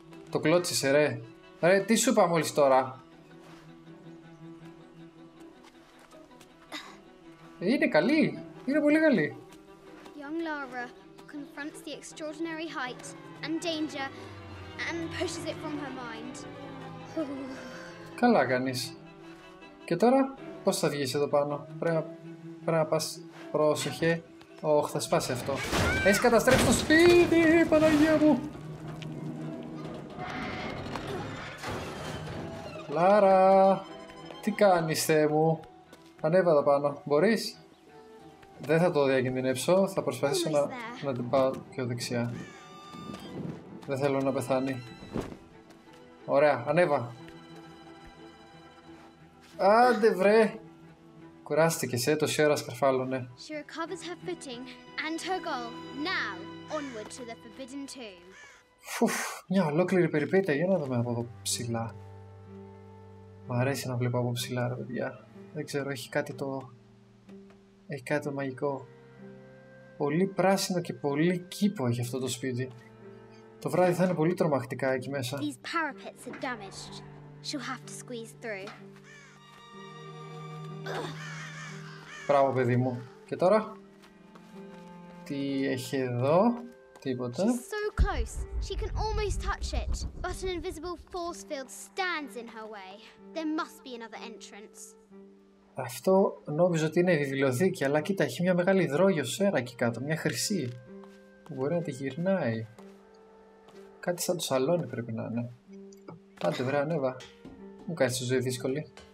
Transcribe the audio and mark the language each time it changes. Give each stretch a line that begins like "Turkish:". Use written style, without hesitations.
Greek: Το κλώτσισε ρε. Ρε, τι σου είπα μόλις τώρα. Είναι καλή, είναι πολύ καλή.
English: Young Lara confronts the extraordinary height and danger and pushes it from her mind.
Greek: Καλά κάνεις. Και τώρα, πώς θα βγεις εδώ πάνω. Πρέπει να πας. Πρόσεχε. Όχι, θα σπάσει αυτό. Έχει καταστρέψει το σπίτι, Παναγία μου. Λάρα, τι κάνεις, Θεέ μου. Ανέβα εδώ πάνω. Μπορείς. Δεν θα το διακινδυνέψω. Θα προσπαθήσω να την πάω πιο δεξιά. Δεν θέλω να πεθάνει. Ωραία, ανέβα. Άντε βρε. Κουράστηκες, ε, τόση ώρα σκαρφάλωνε.
English: She recovers her footing and her goal. Now, onward to the forbidden tomb.
Greek: Φουφ, μια ολόκληρη περιπέτεια. Για να δούμε από εδώ ψηλά. Μ' αρέσει να βλέπω από ψηλά, ρε παιδιά. Δεν ξέρω, έχει κάτι το μαγικό. Πολύ πράσινο και πολύ κήπο έχει αυτό το σπίτι. Το βράδυ θα είναι πολύ τρομακτικά εκεί μέσα.
English: These parapets are damaged. She'll have to squeeze through.
Greek: Μπράβο, παιδί μου. Και τώρα. Τι έχει εδώ. Τίποτα.
English: She's so close. She can almost touch it. But an invisible force field stands in her way. There must be another entrance.
Greek: Αυτό νόμιζα ότι είναι βιβλιοθήκη, αλλά κοίτα, έχει μια μεγάλη υδρόγειο σέρα εκεί κάτω. Μια χρυσή. Μπορεί να τη γυρνάει. Κάτι σαν το σαλόνι πρέπει να είναι. Άντε βρε, ανέβα. Μου κάνεις τη ζωή δύσκολη.